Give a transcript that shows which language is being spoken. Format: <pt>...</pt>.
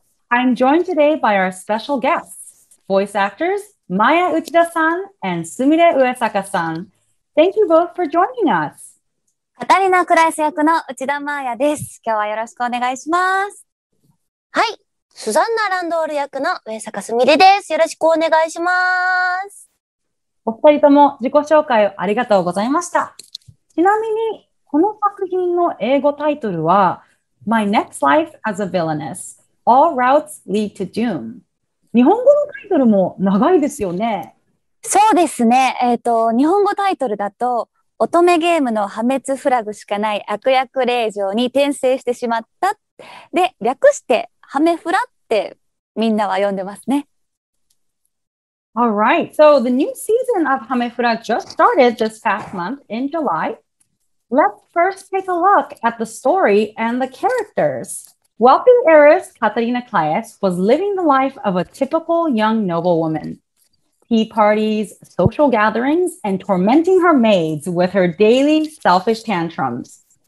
<en>I'm joined today by our special guests, voice actors Maya Uchida-san and Sumire Uesaka-san. Thank you both for joining us.</en> <ja>カタリナ・クライス役の内田真彩です。今日はよろしくお願いします。はい。スザンナ・ランドール役の上坂すみれです。よろしくお願いします。お二人とも自己紹介をありがとうございました。ちなみに、この作品の英語タイトルは、</ja> <en>My Next Life as a Villainess, All Routes Lead to Doom。</en> <ja>日本語のタイトルも長いですよね。そうですね。日本語タイトルだと、乙女ゲームの破滅フラグしかない悪役令嬢に転生してしまった、で略してハメフラってみんなは呼んでますね。</ja> <en>All right, so the new season of ハメフラ just started this past month in July. Let's first take a look at the story and the characters. Wealthy heiress Katarina Klaes was living the life of a typical young noblewomanTea parties, social gatherings, and tormenting her maids with her daily selfish tantrums.</en>